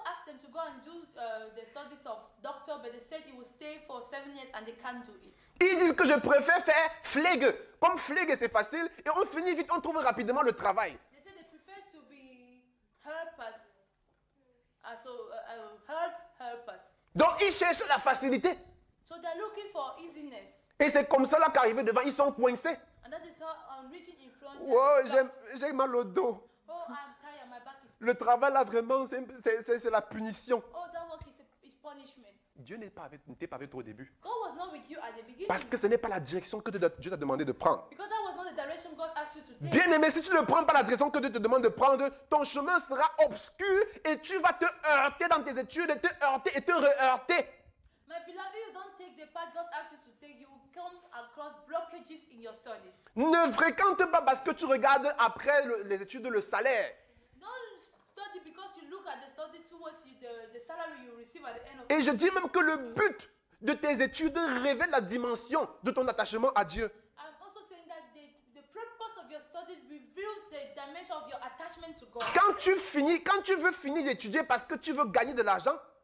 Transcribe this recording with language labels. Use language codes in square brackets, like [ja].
[en] them to go and do the studies of doctor, but they said he will stay for 7 years and they can't do it. [fr] Ils disent que je préfère faire flègue. Comme flègue, c'est facile et on finit vite, on trouve rapidement le travail. [en] They said they prefer to be helpers. Helpers. [fr] Donc ils cherchent la facilité. [en] So they're looking for easiness. [fr] Et c'est comme cela qu'arrivé devant, ils sont coincés. [en] And that is how I'm reaching in front. [fr] Wow, j'ai mal au dos. [en] Oh, I'm tired. My back is... [fr] Le travail là vraiment c'est la punition. [en] Oh, that work is punishment. [fr] Dieu n'était pas avec toi au début. [en] God was not with you at the beginning. [fr] Parce que ce n'est pas la direction que Dieu t'a demandé de prendre. [en] Because that was not the direction God asked you to take. [fr] Bien aimé, si tu ne prends pas la direction que Dieu te demande de prendre, ton chemin sera obscur et tu vas te heurter dans tes études, te heurter et te re-heurter. [en] My beloved, you don't take the path God asked you to take. You will come across blockages in your studies. [fr] Ne fréquente pas parce que tu regardes après les études le salaire. [en] Don't study because you look at the study towards the salary you receive at the end of. [fr] Et je dis même que le but de tes études révèle la dimension de ton attachement à Dieu. [en] I'm also saying that the purpose of your studies reveals the dimension of your attachment to God. [fr] Quand tu veux finir d'étudier parce que tu veux gagner de l'argent.